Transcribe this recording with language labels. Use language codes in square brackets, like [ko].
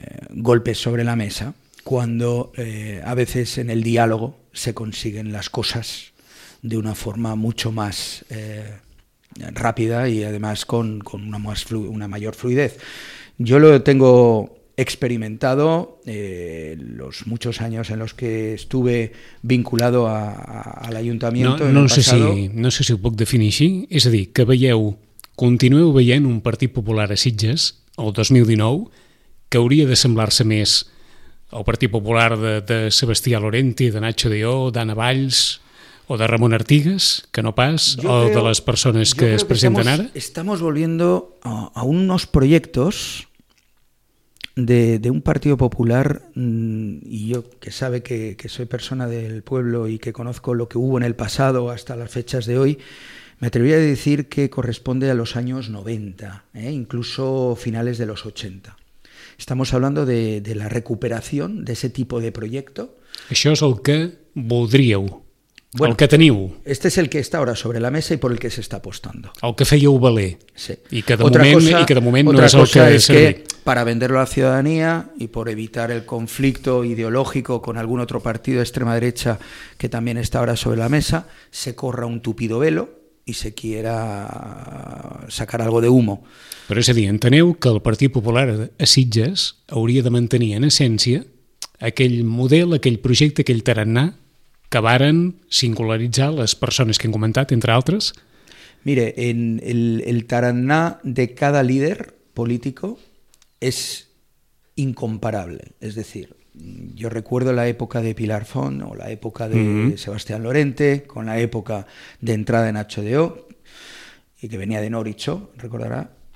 [es] golpes sobre la mesa, cuando a veces en el diálogo se consiguen las cosas de una forma mucho más rápida y además con una mayor fluidez. Yo lo tengo experimentado los muchos años en los que estuve vinculado a l'Ajuntamiento. [ca] No sé si ho puc definir així. És a dir, que continueu veient un Partit Popular a Sitges el 2019 que hauria de semblar-se més al Partit Popular de Sebastià Lorenti, de Nacho de O, d'Anna Valls o de Ramon Artigas, que no pas, de les persones que es presenten ara. [es] Estamos volviendo a unos proyectos de un Partido Popular, y yo que sabe que soy persona del pueblo y que conozco lo que hubo en el pasado hasta las fechas de hoy, me atrevería a decir que corresponde a los años 90, incluso finales de los 80. Estamos hablando de la recuperación de ese tipo de proyecto. [ca] Això és el que voldríeu, bueno, el que teniu. [es] Este es el que está ahora sobre la mesa y por el que se está apostando. [ca] El que fèieu valer. Sí. I que de moment no és el que serveix. [es] Que para venderlo a la ciudadanía y por evitar el conflicto ideológico con algún otro partido de extrema derecha que también está ahora sobre la mesa, se corra un tupido velo y se quiera sacar algo de humo. [ca] Però és a dir, enteneu que el Partit Popular a Sitges hauria de mantenir en essència aquell model, aquell projecte, aquell tarannà que varen singularitzar les persones que hem comentat, entre altres? [es] Mire, en el tarannà de cada líder político es incomparable. Es decir, yo recuerdo la época de Pilar Font o la época de Sebastián Lorente, con la época de entrada de Nacho de O, y que venía de Noricho, recordará.